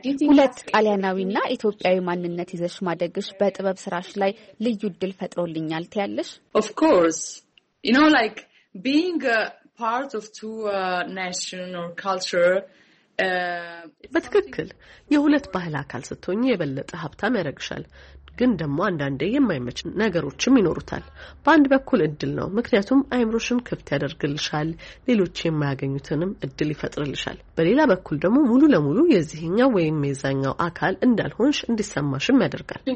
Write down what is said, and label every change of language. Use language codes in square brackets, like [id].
[am] ሁለት ጣሊያናዊና ኢትዮጵያዊ ማንነት ይዘሽ ማደግሽ በጥበብ ስራሽ ላይ ልዩ እድል ፈጥሮልኛል ትያለሽ? [en] Of course. You know, like being a part of two nation or culture [am] በትክክል የሁለት ባህል አካል ስትሆኚ የበለጠ ሀብታም ያደርግሻል። ግን ደግሞ አንዳንዴ የማይመች ነገሮችም ይኖሩታል። በአንድ በኩል እድል ነው፣ ምክንያቱም አይምሮሽን ክፍት ያደርግልሻል፣ ሌሎች የማያገኙትንም እድል ይፈጥርልሻል። በሌላ በኩል ደግሞ ሙሉ ለሙሉ የዚህኛው ወይም የዛኛው አካል እንዳልሆንሽ እንዲሰማሽም ያደርጋል።